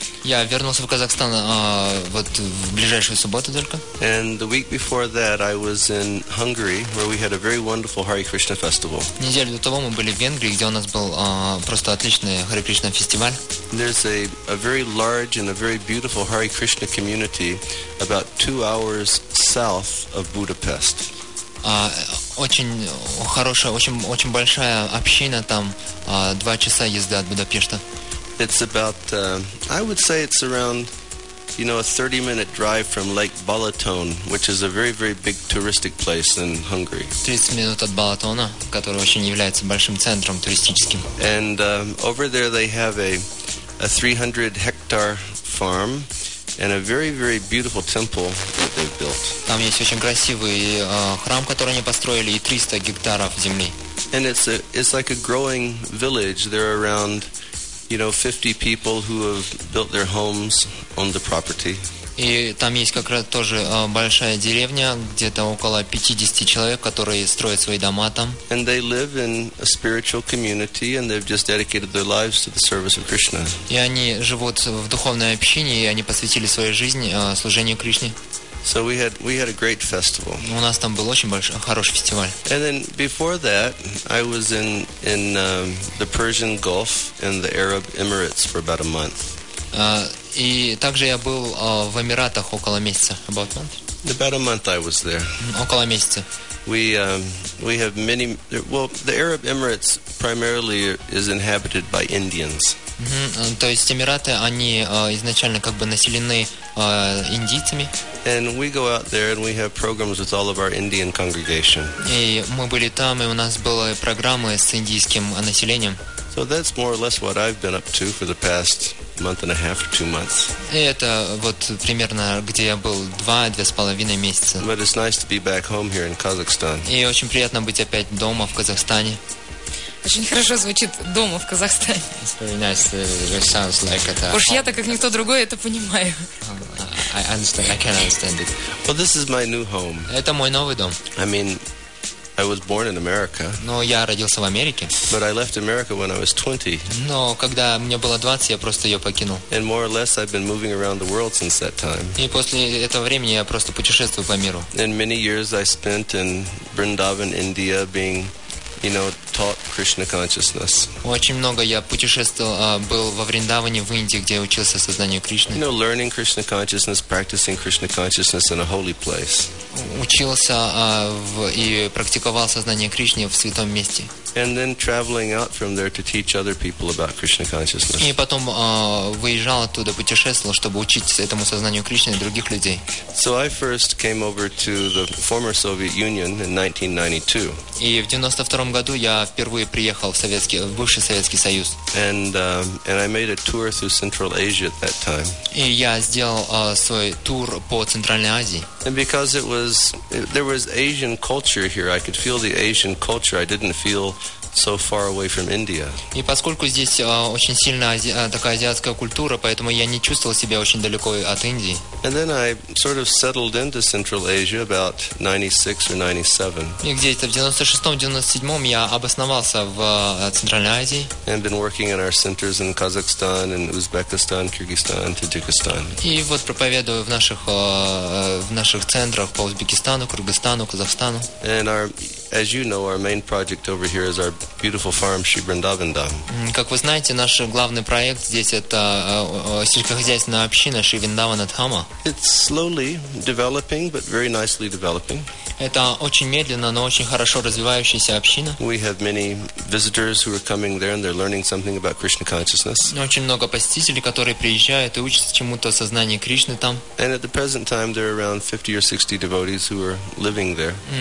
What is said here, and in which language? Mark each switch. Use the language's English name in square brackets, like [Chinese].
[Russian] Я вернулся в Казахстан вот в ближайшую субботу только. [English] And the week before that I was in Hungary, where we had a very wonderful Hare Krishna festival. [Russian] Неделю до того мы были в Венгрии, где у нас был просто отличный Hare Krishna фестиваль. [English] There's a very large and a very beautiful Hare Krishna community about 2 hours south of Budapest. [Russian] Очень хорошая, очень большая община там, 2 часа езды от Будапешта. [English] It's about, I would say it's around, you know, a 30-minute drive from Lake Balaton, which is a very, very big touristic place in Hungary. [Russian] 30 минут от Балатона, который очень является большим центром туристическим. [English] And over there they have a 300-hectare farm and a very, very beautiful temple that they've built. [Russian] Там есть очень красивый храм, который они построили, и 300 гектаров земли. [English] And it's like a growing village. They're around, you know, 50 people who have built their homes on the property. [Russian] И там есть как раз тоже большая деревня, где-то около 50 человек, которые строят свои дома там. [English] And they live in a spiritual community, and they've just dedicated their lives to the service of Krishna. [Russian] И они живут в духовной общине, и они посвятили свою жизнь служению Кришне. [English] So we had a great festival. [Russian] У нас там был очень большой хороший фестиваль. [English] And then before that, I was in the Persian Gulf and the Arab Emirates for about a month. [Russian] И также я был в Эмиратах около месяца. [English] About a month. About a month I was there. [Russian] Около месяца. [English] We have many. Well, the Arab Emirates primarily is inhabited by Indians. [Russian] То есть Эмираты, они изначально как бы населены индийцами. [English] And we go out there and we have programs with all of our Indian congregation. [Russian] И мы были там, и у нас были программы с индийским населением. [English] So that's more or less what I've been up to for the past month and a half or 2 months. [Russian] И это вот примерно где я был 2-2.5 месяца. [English] But it's nice to be back home here in Kazakhstan. [Russian] И очень приятно быть опять дома в Казахстане. Очень хорошо звучит «дома» в Казахстане. [English] It's very nice. It sounds like it. [Russian] Уж я-то, как никто другой, это понимаю. [English] I understand. I can't understand it. Well, this is my new home. [Russian] Это мой новый дом. [English] I mean, I was born in America. [Russian] Но я родился в Америке. [English] But I left America when I was 20. [Russian] Но когда мне было 20, я просто ее покинул. [English] And more or less, I've been moving around the world since that time. [Russian] И после этого времени я просто путешествую по миру. [English] And many years I spent in Vrindavan, India, being, you know, taught Krishna consciousness. [Russian] Очень много я путешествовал, был во Вриндаване в Индии, где учился сознанию Кришны. [English] You know, learning Krishna consciousness, practicing Krishna consciousness in a holy place. [Russian] Учился и практиковал сознание Кришны в святом месте. [English] And then traveling out from there to teach other people about Krishna consciousness. [Russian] И потом выезжал оттуда, путешествовал, чтобы учить этому сознанию Кришны других людей. [English] So I first came over to the former Soviet Union in 1992. [Russian] И в 92 году я впервые приехал в бывший Советский Союз. [English] And I made a tour through Central Asia at that time. [Russian] И я сделал свой тур по Центральной Азии. [English] And because there was Asian culture here, I could feel the Asian culture. I didn't feel so far away from India. [Russian] И поскольку здесь очень сильная такая азиатская культура, поэтому я не чувствовал себя очень далеко от Индии. [English] And then I sort of settled into Central Asia about 96 or 97. [Russian] И где-то в 96-97 я обосновался в Центральной Азии. [English] And been working in our centers in Kazakhstan and Uzbekistan, Kyrgyzstan, Tajikistan. [Russian] И вот проповедую в наших центрах по Узбекистану, Кыргызстану, Казахстану. [English] And as you know, our main project over here is our beautiful farm, Shri Vrindavan Dham. [Russian] Как вы знаете, наш главный проект здесь это сельскохозяйственная община Шри Вриндавана Дхама. [English] It's slowly developing, but very nicely developing. [Russian] Это очень медленно, но очень хорошо развивающаяся община. [English] We have many visitors who are coming there and they're learning something about Krishna consciousness. [Russian] Очень много посетителей, которые приезжают и учатся чему-то о сознании Кришны там. [English] And at the present time there are around 50 or 60 devotees who are living there.